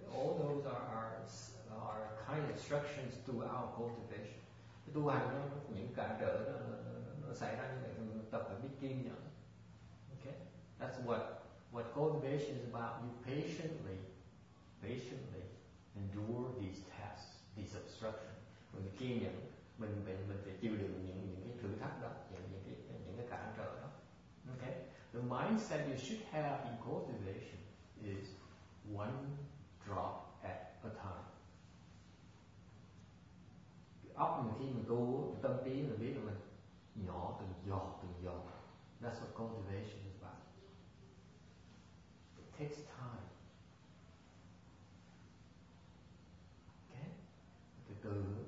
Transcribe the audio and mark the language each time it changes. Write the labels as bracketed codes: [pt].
[en] All those are kind of instructions to our cultivation. [vi] Tu hành nó những cản trở nó xảy ra như vậy, mình tập phải biết kiên nhẫn. [en] Okay, that's what cultivation is about. You patiently endure these tests, these obstructions. [vi] Mình kiên nhẫn. Mình phải chịu đựng những cái thử thách đó, những cái cản trở đó. [en] Okay. The mindset you should have in cultivation is one drop at a time. [vi] Óc mình khi mình tu, tâm trí mình biết là mình nhỏ từng giọt. [en] That's what cultivation is about. It takes time. [vi] Okay. Từ từ.